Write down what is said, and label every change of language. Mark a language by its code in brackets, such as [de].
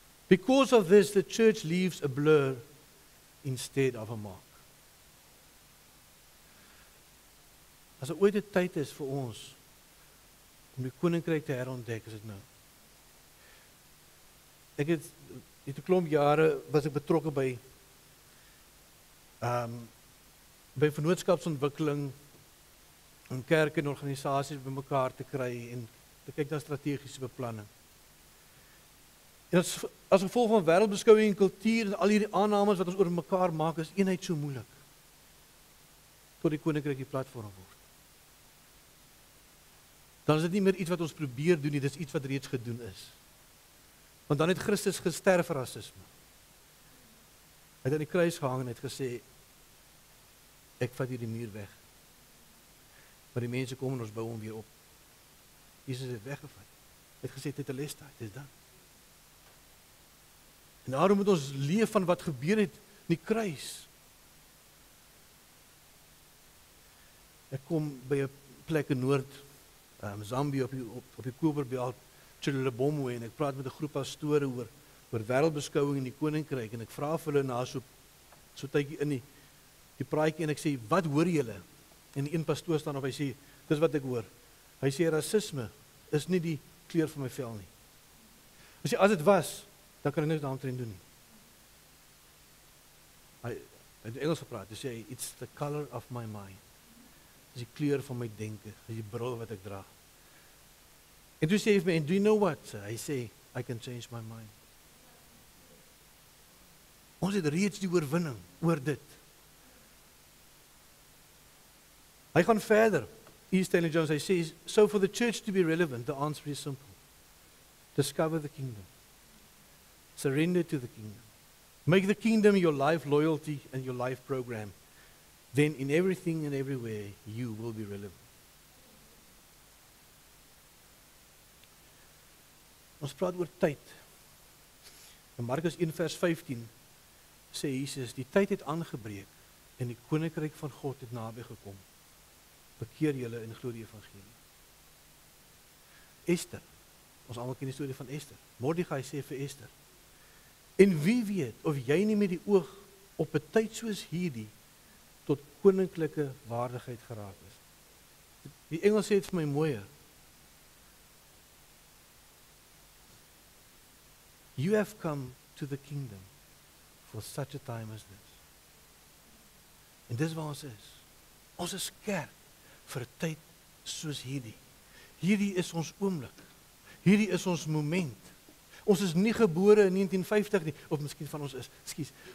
[en] Because of this, the church leaves a blur instead of a mark. [af] As het ooit die tyd is vir ons, om die koninkryk te herontdek, is het nou. Ek het, die te klomp jare, was ek betrokke by by vennootskapsontwikkeling en kerk en organisaties by mekaar te kry en te kyk na strategiese beplanning. En as gevolg van wereldbeskouwing en kultuur en al hierdie aannames wat ons oor mekaar maak, is eenheid so moeilik tot die koninkryk die platform word. Dan is dit nie meer iets wat ons probeer doen nie, dit is iets wat reeds gedoen is. Want dan het Christus gesterf vir rasisme. Hy het aan die kruis gehang en het gesê, ek vat hier die muur weg. Maar die mense kom en ons bou hom weer op. Jesus het weggevat. Hy het gesê, dit is les daar, dit is dan. En daarom moet ons leef van wat gebeur het in die kruis. Ek kom by een plek in Noord, Zambie, op die Koperbelt, Chulalubomwe, en ek praat met een groep pastore oor wereldbeskouwing in die koninkryk, en ek vraag vir hulle na so tykie in die praatje, en ek sê, wat hoor julle? En een pastoor staan op, hy sê, dis wat ek hoor. Hy sê, racisme is nie die kleur van my vel nie. Hy sê, as het was, dan kan ek niks daaromtrent doen. Hy het in Engels gepraat, hy sê, [en] it's the color of my mind. [af] Dis die kleur van my denken, dis die bril wat ek draag. En toen zei hij me, [en] do you know what? [af] Hij zei, [en] I can change my mind. [af] Ons het reeds die oorwinning oor dit. Hij gaat verder. [en] He's telling Jones, [af] hij zei, [en] so for the church to be relevant, the answer is simple. Discover the kingdom. Surrender to the kingdom. Make the kingdom your life loyalty and your life program. Then in everything and everywhere, you will be relevant. [af] Ons praat oor tyd. In Markus 1 vers 15 sê Jesus, die tyd het aangebreek en die koninkryk van God het nabij gekom. Bekeer julle en glo die evangelie. Esther, ons allemaal ken die story van Esther. Mordechai sê vir Esther, en wie weet of jy nie met die oog op een tyd soos hierdie tot koninklijke waardigheid geraak is. Die Engels sê het vir my mooier, [en] you have come to the kingdom for such a time as this. [af] En dis waar ons is kerk vir tyd soos hierdie. Hierdie is ons oomblik, hierdie is ons moment. Ons is nie gebore in 1950 nie, of miskien van ons is, skies.